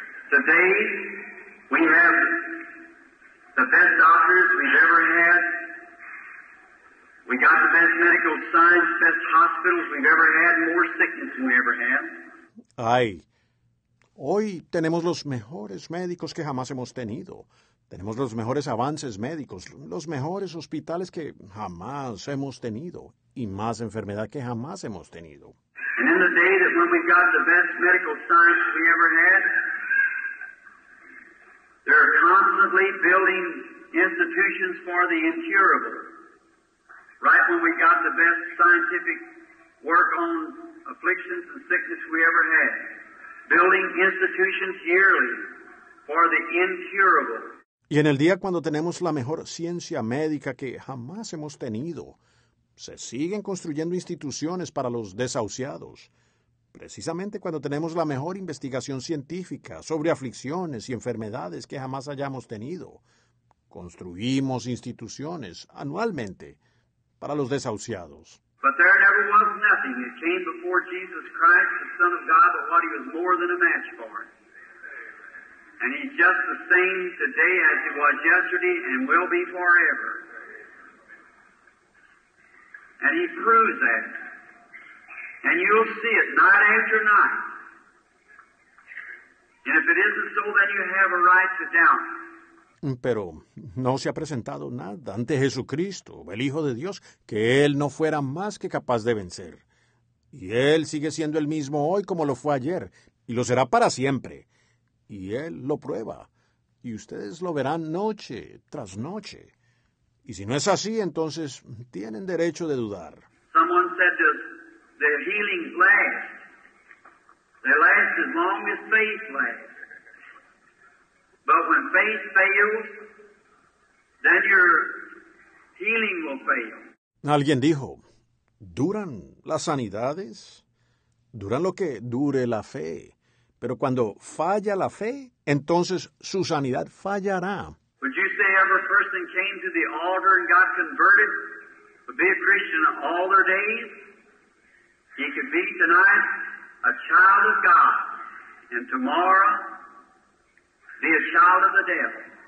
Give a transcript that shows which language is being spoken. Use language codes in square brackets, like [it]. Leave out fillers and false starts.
[en] Today we have the best doctors we've ever had. We got the best medical science, best hospitals we've ever had, more sickness than we ever had. [es] Ay, hoy tenemos los mejores médicos que jamás hemos tenido. Tenemos los mejores avances médicos, los mejores hospitales que jamás hemos tenido y más enfermedad que jamás hemos tenido. [en] And in the day that when we got the best medical science we ever had, they're constantly building institutions for the incurable. Right when we got the best scientific work on afflictions and sickness we ever had, building institutions yearly for the incurable. [es] Y en el día cuando tenemos la mejor ciencia médica que jamás hemos tenido, se siguen construyendo instituciones para los desahuciados. Precisamente cuando tenemos la mejor investigación científica sobre aflicciones y enfermedades que jamás hayamos tenido, construimos instituciones anualmente para los desahuciados. [en] But there never was nothing that came before Jesus Christ, the Son of God, but what he was more than a match for. And he's just the same today as he was yesterday and will be forever. And he proves that. And you'll see it night after night. And if it isn't so, then you have a right to doubt. [es] Pero no se ha presentado nada ante Jesucristo, el Hijo de Dios, que Él no fuera más que capaz de vencer. Y Él sigue siendo el mismo hoy como lo fue ayer, y lo será para siempre. Y Él lo prueba, y ustedes lo verán noche tras noche. Y si no es así, entonces tienen derecho de dudar. [en] Someone said the healing lasts. They last as long as faith lasts. But when faith fails, then your healing will fail. [es] Alguien dijo, ¿duran las sanidades? Duran lo que dure la fe. Pero cuando falla la fe, entonces su sanidad fallará. [en] Would you say every person came to the altar and got converted to be a Christian all their days? He could be tonight a child of God and tomorrow be a child of the devil.